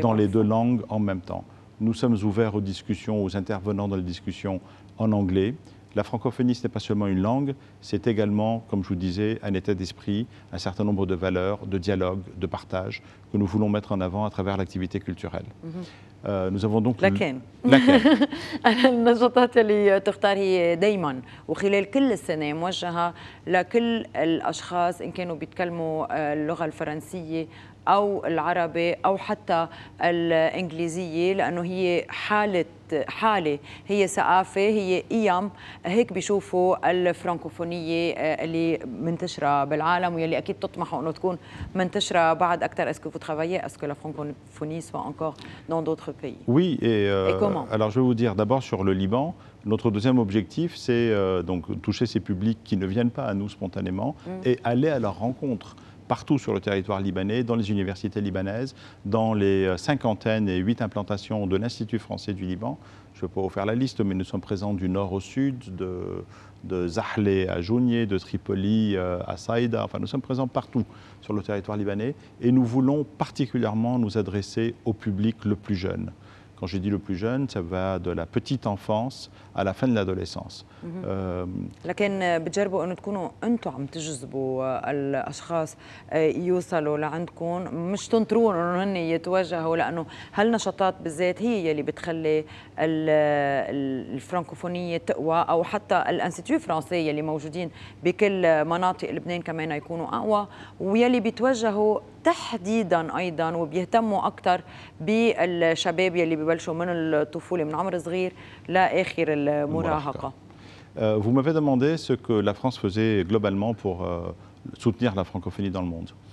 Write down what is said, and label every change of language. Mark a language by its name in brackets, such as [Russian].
[French] dans les deux langues en même temps. Nous sommes ouverts aux discussions, aux intervenants dans les discussions en anglais. La francophonie, ce n'est pas seulement une langue, c'est également, comme je vous disais, un état d'esprit, un certain nombre de valeurs, de dialogue, de partage que nous voulons mettre en avant à travers l'activité culturelle. Mm-hmm. Nous avons donc... [Arabic] Laquelle النشاطات اللي تختاري دائما وخلال كل السنة موجهة لكل الأشخاص إن كانوا بيتكلموا اللغة الفرنسية أو العربية أو حتى الإنجليزية لأنه هي حالة هي ثقافة هي قيم هيك بيشوفوا الفرنكوفونية اللي منتشرة بالعالم واللي أكيد تطمحوا أنه تكون منتشرة بعد أكثر [French] est-ce que vous travaillez est-ce que la francophonie soit encore dans d'autres pays oui et comment alors je vais vous dire d'abord sur le Liban. Notre deuxième objectif, c'est donc toucher ces publics qui ne viennent pas à nous spontanément et aller à leur rencontre partout sur le territoire libanais, dans les universités libanaises, dans les cinquantaines et huit implantations de l'Institut français du Liban. Je ne vais pas vous faire la liste, mais nous sommes présents du nord au sud, de Zahle à Jounieh, de Tripoli à Saïda. Enfin, nous sommes présents partout sur le territoire libanais et nous voulons particulièrement nous adresser au public le plus jeune. Quand je dis le plus jeune, ça va de la petite enfance à la fin de l'adolescence. [Arabic] لكن بتجربوا انه تكونوا انتوا عم تجذبوا الاشخاص يوصلوا لعندكم مش تنطرون انه هن يتوجهوا لانه هالنشاطات بالذات هي يلي بتخلي الفرنكوفونيه تقوى او حتى الانستيتيو الفرنسي يلي موجودين بكل مناطق لبنان كمان يكونوا اقوى ويلي بيتوجهوا تحديدا ايضا وبيهتموا اكثر بالشباب يلي ببلشوا من الطفوله من عمر صغير لاخر المراهقه. [French] Vous m'avez demandé ce que la France faisait globalement pour soutenir la francophonie dans le monde.